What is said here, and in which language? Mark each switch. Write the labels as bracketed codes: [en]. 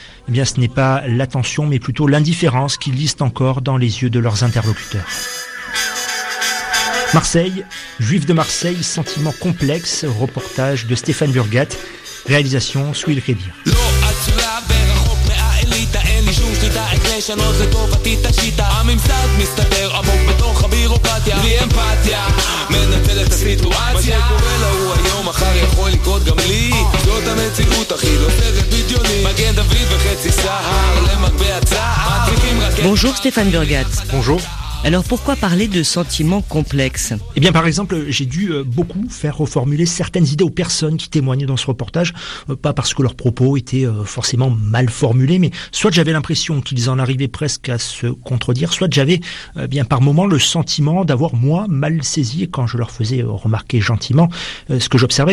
[fr] Eh bien, ce n'est pas l'attention, mais plutôt l'indifférence qui lisent encore dans les yeux de leurs interlocuteurs. Marseille, juif de Marseille, sentiment complexe, reportage de Stéphane Burgat, réalisation Souil Kébir. [he] לשנות לטובתי את השיטה הממסד מסתתר עמוק בתוך הבירוקרטיה בלי אמפתיה מנצל את הסיטואציה מה שקורה לו הוא היום מחר יכול לקרות גם לי זאת המציאות הכי לא סרט בדיוני מגן דוד וחצי סהר למגבי הצער [fr] בונז'ור [he] סטפן ברגט [fr] בונז'ור. Alors pourquoi parler de sentiments complexes? Eh bien par exemple, j'ai dû beaucoup faire reformuler certaines idées aux personnes qui témoignaient dans ce reportage, pas parce que leurs propos étaient forcément mal formulés, mais soit j'avais l'impression qu'ils en arrivaient presque à se contredire, soit j'avais bien par moments le sentiment d'avoir moi mal saisi quand je leur faisais remarquer gentiment ce que j'observais.